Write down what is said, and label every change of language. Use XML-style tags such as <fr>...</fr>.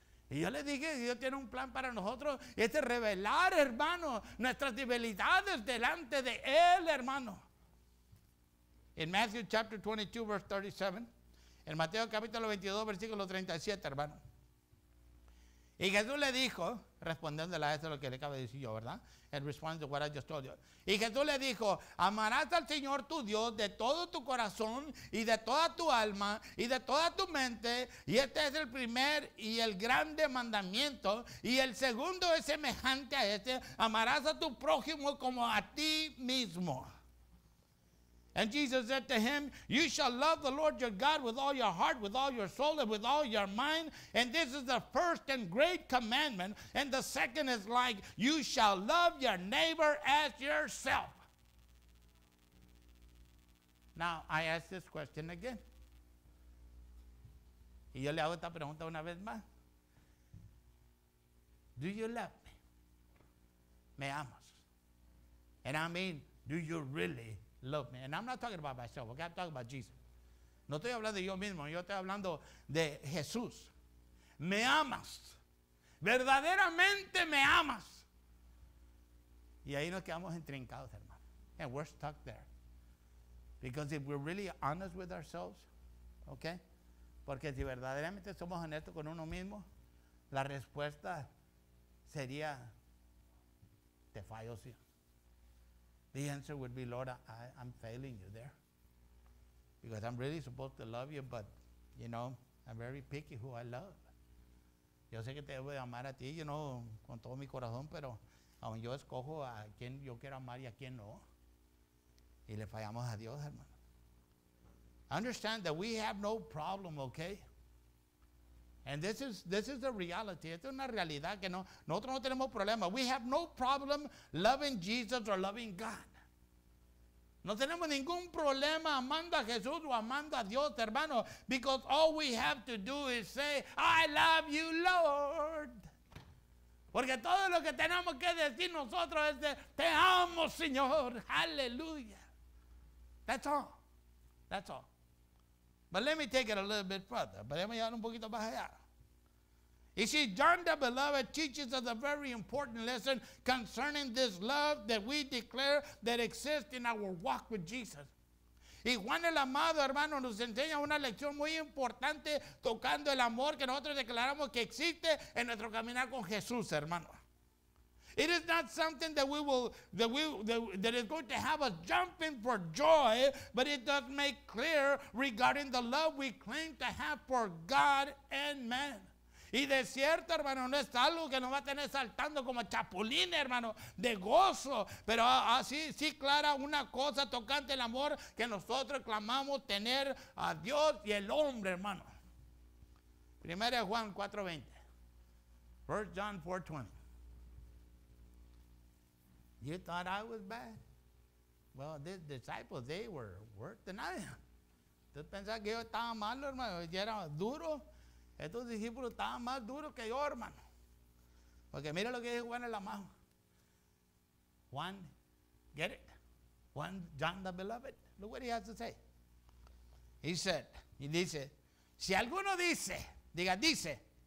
<es>Y yo le dije, Dios tiene un plan para nosotros. Y es revelar, hermano, nuestras debilidades delante de Él, hermano.</es> <en>In Matthew chapter 22, verse 37.</en> <es>En Mateo capítulo 22, versículo 37, hermano. Y Jesús le dijo, respondiéndole a esto lo que le acabo de decir yo, ¿verdad?</es> <en>In response to what I just told you.</en> <es>Y Jesús le dijo, amarás al Señor tu Dios de todo tu corazón y de toda tu alma y de toda tu mente. Y este es el primer y el grande mandamiento. Y el segundo es semejante a este, amarás a tu prójimo como a ti mismo.</es> <en>And Jesus said to him, you shall love the Lord your God with all your heart, with all your soul, and with all your mind. And this is the first and great commandment. And the second is like, you shall love your neighbor as yourself. Now, I ask this question again.</en> <es>Y yo le hago esta pregunta una vez más.</es> <en>Do you love me?</en> <es>Me amas.</es> <en>And I mean, do you really love me? And I'm not talking about myself, okay? I'm talking about Jesus.</en> <es>No estoy hablando de yo mismo, yo estoy hablando de Jesús. Me amas. Verdaderamente me amas. Y ahí nos quedamos entrincados, hermano.</es> <en>And we're stuck there. Because if we're really honest with ourselves, okay?</en> <es>Porque si verdaderamente somos honestos con uno mismo, la respuesta sería, te fallo, sí.</es> <en>The answer would be, Lord, I'm failing you there. Because I'm really supposed to love you, but, you know, I'm very picky who I love.</en> <es>Yo sé que te debo de amar a ti, you know, con todo mi corazón, pero aun yo escojo a quien yo quiero amar y a quien no. Y le fallamos a Dios, hermano.</es> <en>Understand that we have no problem, okay? And this is the reality.</en> <es>Esta es una realidad que no, nosotros no tenemos problema.</es> <en>We have no problem loving Jesus or loving God.</en> <es>No tenemos ningún problema amando a Jesús o amando a Dios, hermano.</es> <en>Because all we have to do is say, I love you, Lord.</en> <es>Porque todo lo que tenemos que decir nosotros es de, te amo, Señor.</es> <en>Hallelujah. That's all. But let me take it a little bit further. But let me</en> <es>ir un poquito más allá.</es> <en>You see, John the Beloved teaches us a very important lesson concerning this love that we declare that exists in our walk with Jesus.</en> <es>Y Juan el Amado, hermano, nos enseña una lección muy importante tocando el amor que nosotros declaramos que existe en nuestro caminar con Jesús, hermano.</es> <en>It is not something that is going to have us jumping for joy, but it does make clear regarding the love we claim to have for God and man.</en> <es>Y de cierto, hermano, no es algo que nos va a tener saltando como chapulín, hermano, de gozo, pero así sí clara una cosa tocante el amor que nosotros clamamos tener a Dios y el hombre, hermano. Primera Juan 4:20.</es> <en>First John 4:20. You thought I was bad? Well, the disciples, they were worse than I am.</en> <es>¿Tú pensabas que yo estaba malo, hermano? ¿Yo era duro? Estos discípulos estaban más duros que yo, hermano. Porque mira lo que dice Juan el Amado.</es> <en>Juan, get it? Juan, John the Beloved. Look what he has to say. He said,</en> <es>y dice, si alguno dice, diga, dice.</es>